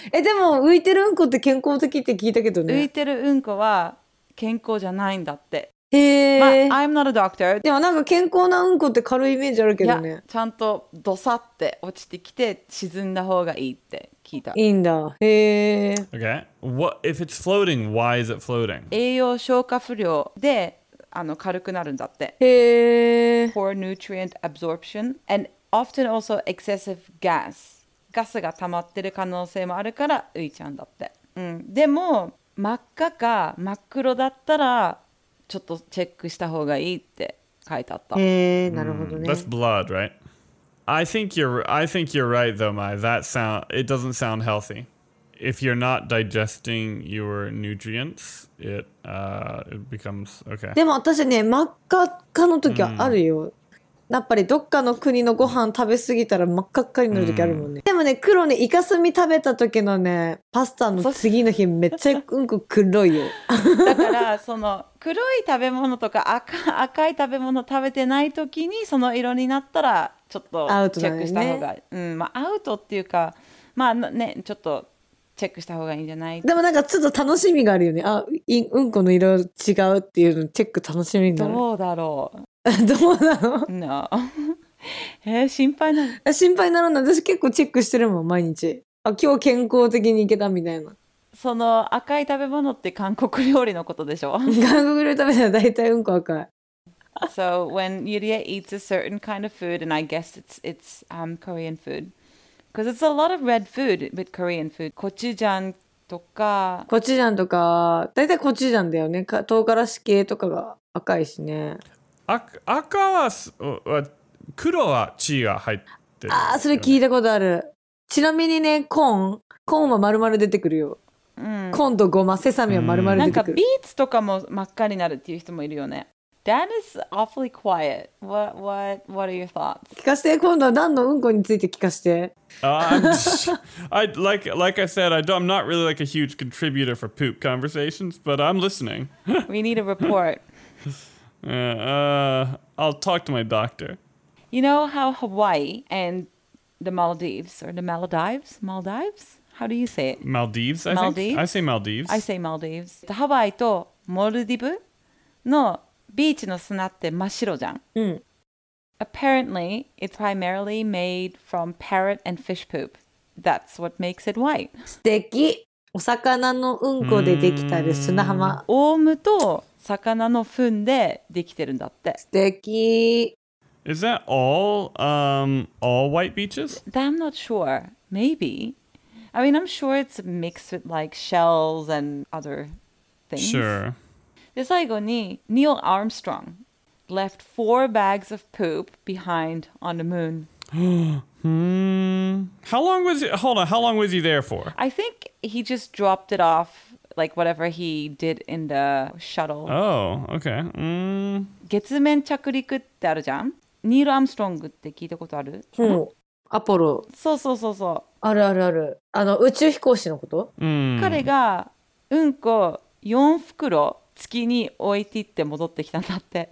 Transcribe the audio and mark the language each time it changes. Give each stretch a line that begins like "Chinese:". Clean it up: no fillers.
Japanese: でも、浮いてるうんこって健康的って聞いたけどね。浮いてるうんこは健康じゃないんだって。へぇー。まあ、
English: I'm not a doctor.
Japanese: でも、なんか健康なうんこって軽いイメージあるけどね。いや、ちゃんとドサって落ちてきて沈んだ方がいいって聞いた。いいんだ。へぇー。
English: Okay. What, if it's floating, why is it floating?
Japanese: 栄養消化不良で、軽くなるんだって。へぇ。
English: Poor nutrient absorption and often also excessive gas.
Japanese: ガスが溜まってる可能性もあるから浮いちゃうんだって。でも、真っ赤か真っ黒だったらちょっとチェックした方がいいって書いてあった。へぇ、なるほどね。
English: That's blood, right? I think you're right though, Mai. It doesn't sound healthy. If you're not digesting your nutrients, it becomes okay.
Japanese: でも私ね、真っ赤っかの時はあるよ。やっぱりどっかの国のご飯食べ過ぎたら真っ赤っかになる時あるもんね。でもね、黒ね、イカスミ食べた時のね、パスタの次の日めっちゃうんこ黒いよ。だからその黒い食べ物とか赤い食べ物食べてない時にその色になったらちょっとチェックした方が、ね、まあアウトっていうか、まあね、ちょっとチェックした方がいいんじゃない？でもなんかちょっと楽しみがあるよね。あ、うんこの色違うっていうのチェック楽しみになる。どうだろう。どうなの？
English: No.
Japanese: 心配なの？心配なの？私結構チェックしてるもん、毎日。あ、今日健康的にいけたみたいな。その赤い食べ物って韓国料理のことでしょ？韓国料理食べたら大体うんこ赤い。
English: So when Yuria eats a certain kind of food, and I guess it's Korean food, because it's a lot of red food with Korean food.
Japanese: Gochujang とか、 Gochujang とか、大体Gochujangだよね。唐辛子系とかが赤いしね。赤は黒はチーが入ってる、ね。ああ、それ聞いたことある。ちなみにね、コーンは丸々出てくるよ。コーンとごま、セサミは丸々出てくる。なんかビーツとかも真っ赤になるっていう人もいるよね。
English: Dan is awfully quiet. What are your thoughts?
Japanese: 聞かせて、今度は Dan のうんこについて聞かせて。
English: Like I said, I'm not really like a huge contributor for poop conversations, but I'm listening. We need a report. I'll talk to my doctor. You know how Hawaii and the Maldives, or the Maldives? Maldives? How do you say it? Maldives, I Maldives? Think. I say Maldives.
Japanese: Hawaii to Maldives no... ビーチの砂って真っ白じゃん。うん。
English: Apparently, it's primarily made from parrot and fish poop. That's what makes it white.
Japanese: 素敵。お魚のうんこでできたる砂浜。オウムと魚の糞でできてるんだって。素敵。
English: Is that all white beaches? I'm not sure. Maybe. I mean, I'm sure it's mixed with like shells and other things. Sure.
Japanese: で最後に、
English: Neil Armstrong left 4 bags of poop behind on the moon. How long was he there for? I think he just dropped it off, like whatever he did in the shuttle. Oh, okay.
Japanese: 月面着陸ってあるじゃん。 Neil Armstrong って聞いたことある？うん。アポロ。そうそうそうそう。あるあるある。あの宇宙飛行士のこと？彼がうんこ4袋。月に置いていって戻ってきたんだって。